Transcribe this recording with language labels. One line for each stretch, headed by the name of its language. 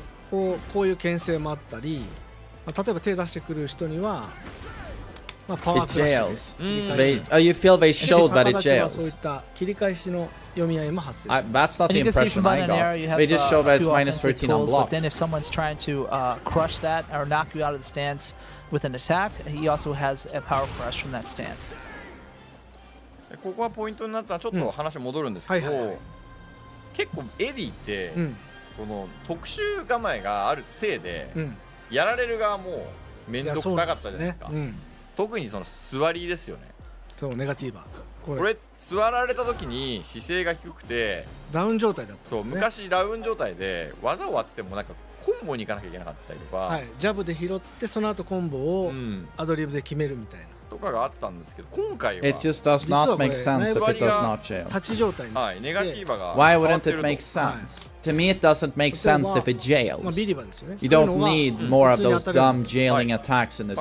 Japanese: こういう牽制もあったり、例えば手出してくる人には
English: It jails. They, you feel they showed that it jails. That's not the impression I got. They just show that it's minus 13 on block. But then if someone's trying to crush that or knock you out of the stance with an attack, he also has a power crush from that stance.
Japanese: ここがポイントになったらちょっと話戻るんですけど、結構エディってこの特殊構えがあるせいでやられる側も面倒くさかったじゃないですか。特にその座りですよね。そうネガティーバー。これ座られた時に姿勢が低くてダウン状態だったんですね。そう昔ダウン状態で技を当ててもなんかコンボに行かなきゃいけなかったりとか、ジャブで拾ってその後コンボをアドリブで決めるみたいな。とかがあったんですけど、今回は
English: It just does not make sense if it does not jail.
Japanese: 立ち状態。はい、ネガティーバが。
English: Why wouldn't it make sense?、はい、to me, it doesn't make sense if it jails.
Japanese: まあビリバですよね。
English: You don't need more of those dumb jailing attacks in this game.